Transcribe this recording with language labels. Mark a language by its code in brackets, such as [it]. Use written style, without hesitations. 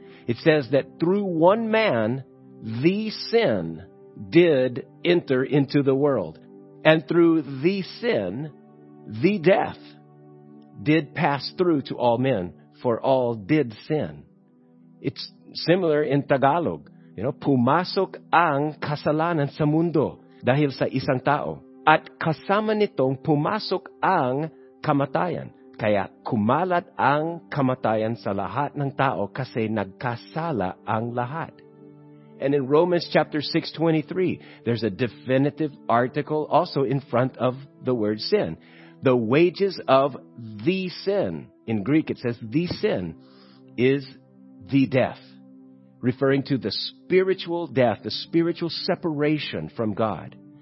[en] It says that through one man, the sin did enter into the world. And through the sin, the death did pass through to all men, for all did sin. It's similar in Tagalog. You know, [tl] pumasok ang kasalanan sa mundo dahil sa isang tao. At kasama nitong pumasok ang kamatayan. Kaya kumalat ang kamatayan sa lahat ng tao kasi nagkasala ang lahat. [en] And in Romans chapter 6:23, there's a definitive article also in front of the word sin. The wages of the sin, in Greek it says the sin, is the death. Referring to the spiritual death, the spiritual separation from God.